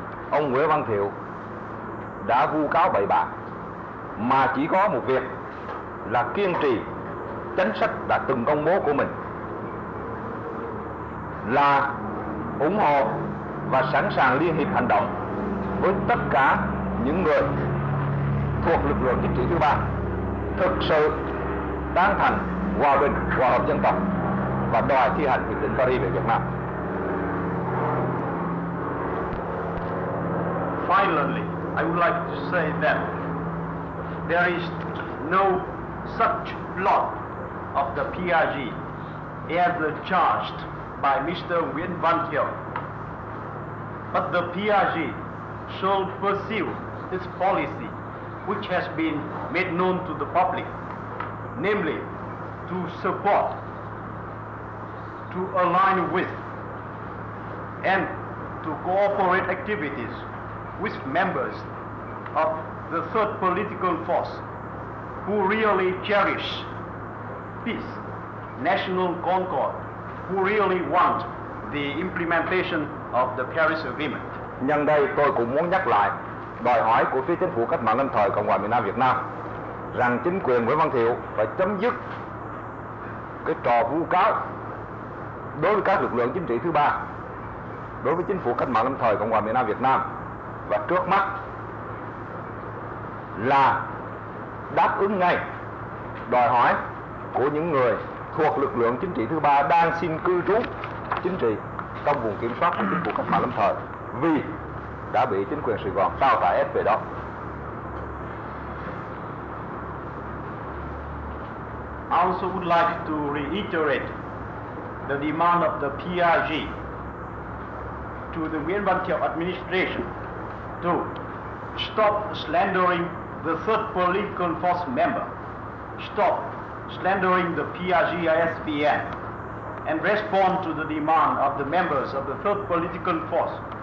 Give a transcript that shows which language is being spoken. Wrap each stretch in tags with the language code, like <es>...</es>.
<vi>ông Nguyễn Văn Thiệu đã vu cáo bậy bạ, mà chỉ có một việc là kiên trì chính sách đã từng công bố của mình, là ủng hộ và sẵn sàng liên hiệp hành động với tất cả những người thuộc lực lượng chính trị thứ ba thực sự tán thành hòa bình, hòa hợp dân tộc và đòi thi hành hiệp định Paris về Việt Nam.</vi> <en>Finally, I would like to say that there is no such plot of the PRG as charged by Mr. Nguyễn Văn Thiệu. But the PRG should pursue its policy, which has been made known to the public, namely to support, to align with, and to cooperate activities with members of the third political force who really cherish peace, national concord, who really want the implementation of the Paris Agreement.</en> <vi>Nhân đây tôi cũng muốn nhắc lại đòi hỏi của phía chính phủ cách mạng lâm thời Cộng hòa miền Nam Việt Nam, rằng chính quyền Nguyễn Văn Thiệu phải chấm dứt cái trò vu cáo đối với các lực lượng chính trị thứ ba, đối với chính phủ cách mạng lâm thời Cộng hòa miền Nam Việt Nam, và trước mắt là đáp ứng ngay đòi hỏi của những người thuộc lực lượng chính trị thứ ba đang xin cư trú chính trị trong vùng kiểm soát của chính phủ cách mạng lâm thời, vì đã bị chính quyền Sài Gòn sao tải ép về đó.</vi> <en>I also would like to reiterate the demand of the PRG to the Nguyễn Văn Thiệu administration to stop slandering the third political force member, stop slandering the PRG-ISPN, and respond to the demand of the members of the third political force</en>